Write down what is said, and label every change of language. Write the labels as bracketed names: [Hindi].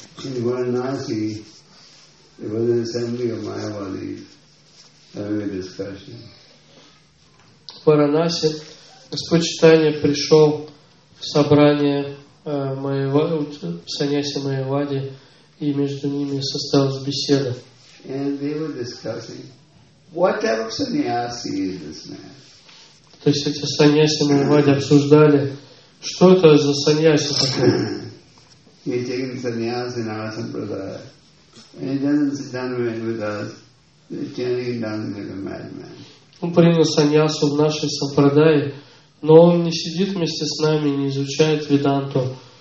[English] In Varanasi, there was an assembly of Mayavadis having a discussion. [Russian] В Варанаси Господь Чайтанья пришел в собрание саньяси Майявади, и между ними состоялась беседа. [English] And they were discussing what type of sannyasi is this man. [Russian] То есть эти саньяси Майявади обсуждали, что это за саньяси такой. [English] He's taking sannyasi in our sampradaya. And he doesn't sit down with us. He's chanting and dancing like a madman. [Russian] Он принял саньясу в нашей сампрадае, но он не сидит вместе с нами, не изучает веданту.